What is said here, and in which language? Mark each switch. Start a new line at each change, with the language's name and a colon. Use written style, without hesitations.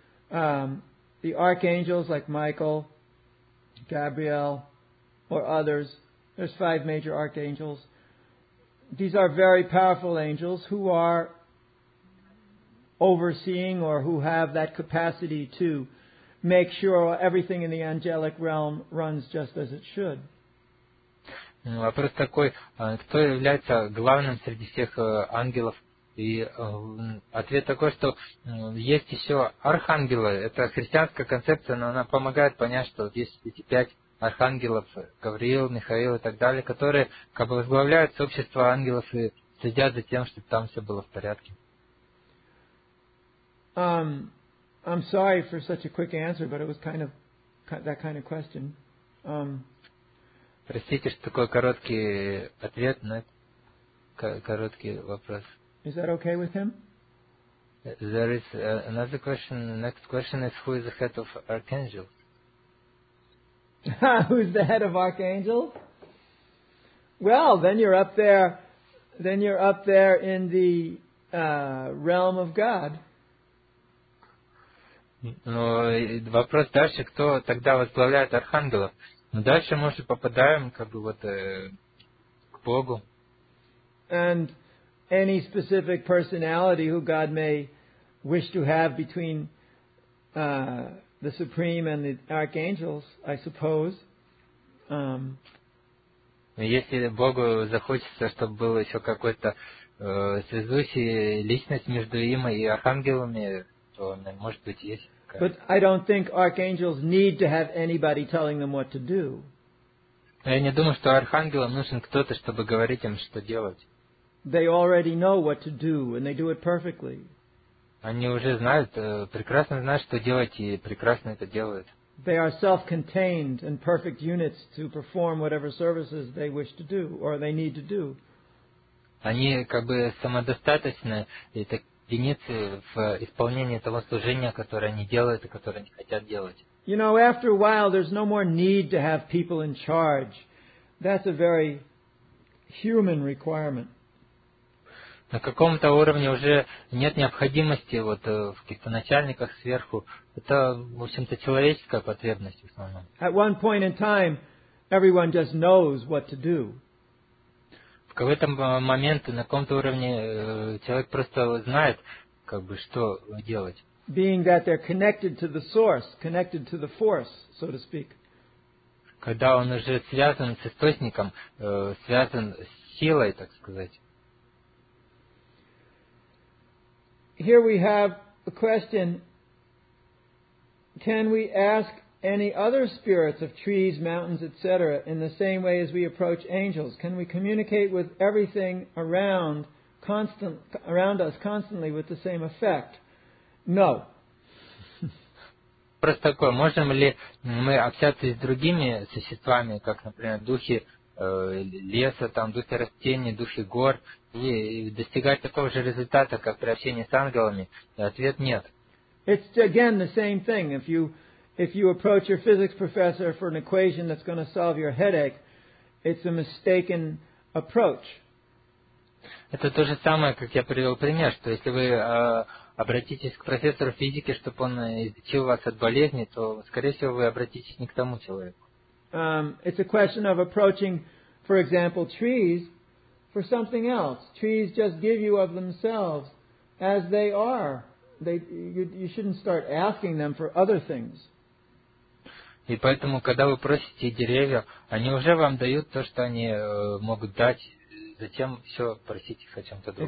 English: The archangels like Michael, Gabriel, or others, there's five major archangels. These are very powerful angels who are overseeing or who have that capacity to make sure everything in the angelic realm runs just as it should.
Russian: Вопрос такой, кто является главным среди всех ангелов? И ответ такой, что есть еще архангелы. Это христианская концепция, но она помогает понять, что есть эти пять архангелов, Гавриил, Михаил и так далее, которые как бы возглавляют сообщество ангелов и следят за тем, чтобы там все было в порядке.
English: I'm sorry for such a quick answer, but it was kind of that kind of question.
Russian: Простите, что такой короткий ответ, но это короткий вопрос.
English: Is that okay with him? There is another question. The next question is, who is the head of archangels? Who's the head of archangels? Well, then you're up there. Then you're up there in the realm of God.
Russian: Ну, вопрос дальше, кто тогда возглавляет архангелов? Ну, дальше мы же попадаем, как бы, вот, к Богу.
English: And any specific personality who God may wish to have between the Supreme and the archangels, I suppose.
Russian: Если Богу захочется, чтобы был еще какой-то связующий личность между им и архангелами, то, может быть, есть какая-то.
English: But I don't think archangels need to have anybody telling them what to do.
Russian: Я не думаю, что архангелам нужен кто-то, чтобы говорить им, что делать.
English: They already know what to do, and they do it perfectly.
Russian: Они уже знают, прекрасно знают, что делать, и прекрасно это делают.
English: They are self-contained and perfect units to perform whatever services they wish to do, or they need to do.
Russian: Они как бы самодостаточны, это единицы в исполнении того служения, которое они делают, и которое они хотят делать.
English: You know, after a while, there's no more need to have people in charge. That's a very human requirement.
Russian: На каком-то уровне уже нет необходимости вот в каких-то начальниках сверху. Это, в общем-то, человеческая потребность в основном.
English: At one point in time, everyone just knows what to do.
Russian: какой-то момент, на каком-то уровне человек просто знает, как бы, что делать.
English: Being that they're connected to the source, connected to the force, so to speak.
Russian: Когда он уже связан с источником, связан с силой, так сказать.
English: Here we have a question. Can we ask any other spirits of trees, mountains, etc., in the same way as we approach angels? Can we communicate with everything around, around us constantly with the same effect? No.
Russian: Просто такое. Можем ли мы общаться с другими существами, как, например, духи леса, там, духи растений, духи гор, и достигать такого же результата, как при общении с ангелами? И ответ нет.
English: It's again the same thing. If you approach your physics professor for an equation that's going to solve your headache, it's a mistaken approach.
Russian: Это то же самое, как я привел пример, что если вы обратитесь к профессору физики, чтобы он излечил вас от болезни, то, скорее всего, вы обратитесь не к тому человеку.
English: It's a question of approaching, for example, trees for something else. Trees just give you of themselves as they are. You shouldn't start asking them for other things.
Russian: И поэтому, когда вы просите деревья, они уже вам дают то, что они могут дать. Зачем все просить их о чем-то другом?